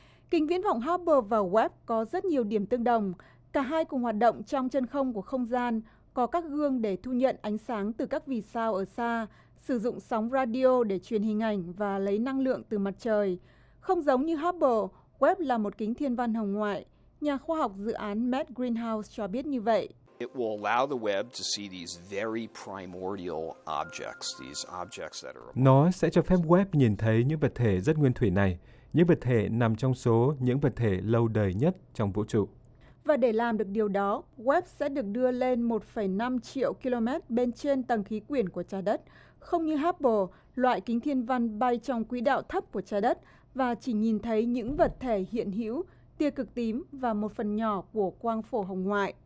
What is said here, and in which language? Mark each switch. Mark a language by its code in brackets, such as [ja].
[vi] Kính viễn vọng Hubble và Webb có rất nhiều điểm tương đồng. Cả hai cùng hoạt động trong chân không của không gian, có các gương để thu nhận ánh sáng từ các vì sao ở xa, sử dụng sóng radio để truyền hình ảnh và lấy năng lượng từ mặt trời. Không giống như Hubble, Webb là một kính thiên văn hồng ngoại. Nhà khoa học dự án Matt Greenhouse cho biết như vậy. [en] It will allow the web to see these very primordial objects, these objects that are. [vi] Nó sẽ cho phép web nhìn thấy những vật thể rất nguyên thủy này, những vật thể nằm trong số những vật thể lâu đời nhất trong vũ trụ. Và để làm được điều đó, web sẽ được đưa lên 1,5 triệu km bên trên tầng khí quyển của trái đất, không như Hubble, loại kính thiên văn bay trong quỹ đạo thấp của trái đất và chỉ nhìn thấy những vật thể hiện hữu, tia cực tím và một phần nhỏ của quang phổ hồng ngoại.